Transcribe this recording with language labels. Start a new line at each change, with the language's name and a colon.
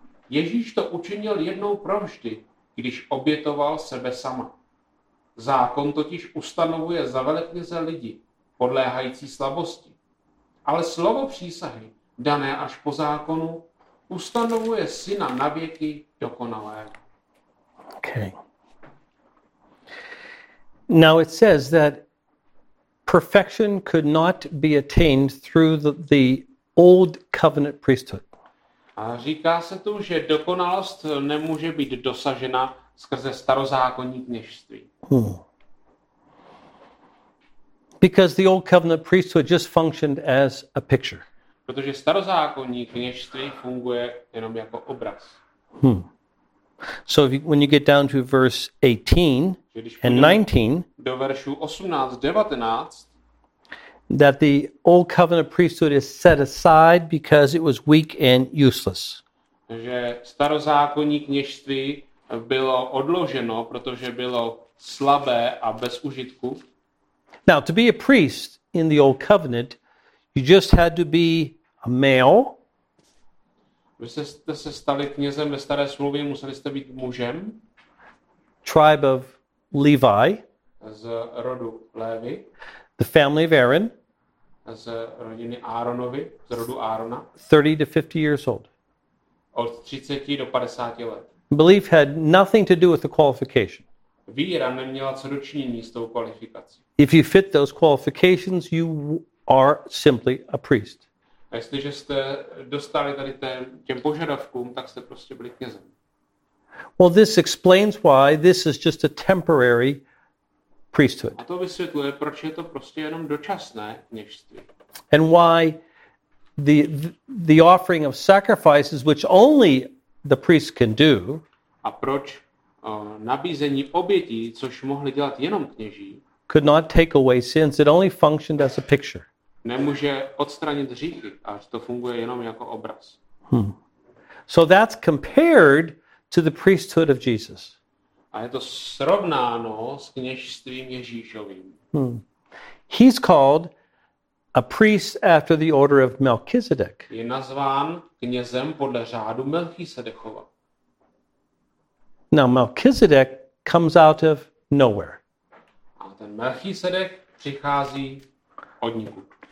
Czech: Ježíš to učinil jednou provždy, když obětoval sebe sama. Zákon totiž ustanovuje za velekněze lidi, podléhající slabosti. Ale slovo přísahy, dané až po zákonu, ustanovuje syna na věky dokonalého.
English: Okay. Now it says that perfection could not be attained through the old covenant priesthood.
Czech: A říká se tu, že dokonalost nemůže být dosažena skrze starozákonní kněžství.
English: Because the old covenant priesthood just functioned as a picture.
Czech: Protože starozákonní kněžství funguje jenom jako obraz.
English: So when you get down to verse 18 and 19,
Czech: do veršů 18, 19,
English: that the old covenant priesthood is set aside because it was weak and useless.
Czech: Že starozákonní kněžství bylo odloženo, protože bylo slabé a bez užitku.
English: Now, to be a priest in the old covenant, you just had to be a male.
Czech: Vy jste se stali knězem ve staré smlouvě, museli jste být mužem.
English: Tribe of Levi.
Czech: Z rodu Lévy.
English: The family of Aaron.
Czech: Z rodiny Aaronovi, z rodu Aarona.
English: 30 to 50 years old.
Czech: Od 30 do 50 let.
English: Belief had nothing to do with the qualification.
Czech: Víra neměla co dočinění s tou kvalifikací.
English: If you fit those qualifications, you are simply a priest.
Czech: A jestliže jste dostali tady těm požadavkům, tak jste prostě byli knězem.
English: Well, this explains why this is just a temporary priesthood.
Czech: A to vysvětluje, proč je to prostě jenom dočasné kněžství.
English: And why the offering of sacrifices, which only the priest can do.
Czech: A proč nabízení obětí, což mohli dělat jenom kněží.
English: Could not take away sins, it only functioned as a picture.
Czech: Nemůže odstranit hříchy, až to funguje jenom jako obraz.
English: So that's compared to the priesthood of Jesus.
Czech: A je to srovnáno s kněžstvím Ježíšovým.
English: He's called a priest after the order of Melchizedek.
Czech: Je nazván knězem podle řádu Melchisedechova.
English: Now Melchizedek comes out of nowhere.
Czech: Ten Melchisedek přichází od nikud.